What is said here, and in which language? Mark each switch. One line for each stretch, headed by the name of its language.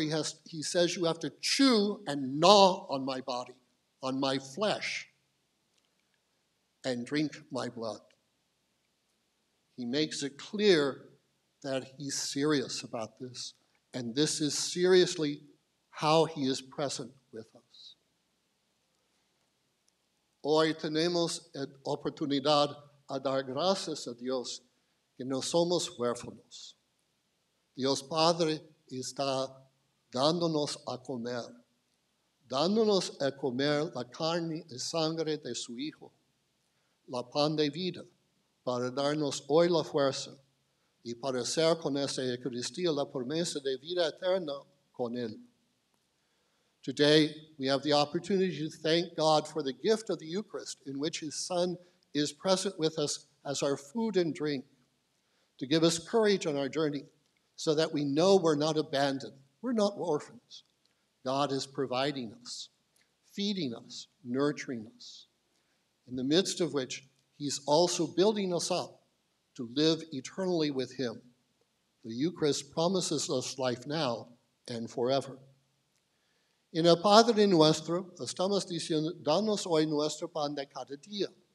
English: He says, you have to chew and gnaw on my body, on my flesh, and drink my blood. He makes it clear that he's serious about this, and this is seriously how he is present with us.
Spanish: Hoy tenemos la oportunidad a dar gracias a Dios que no somos huérfanos. Dios Padre está dándonos a comer, dándonos a comer la carne y sangre de su Hijo, la pan de vida, para darnos hoy la fuerza y para ser con esta Eucaristía la promesa de vida eterna con él.
English: Today, we have the opportunity to thank God for the gift of the Eucharist in which his Son is present with us as our food and drink, to give us courage on our journey so that we know we're not abandoned. We're not orphans. God is providing us, feeding us, nurturing us, in the midst of which he's also building us up to live eternally with him. The Eucharist promises us life now and forever.
Spanish: En el Padre nuestro, estamos diciendo, danos hoy nuestro pan de cada día.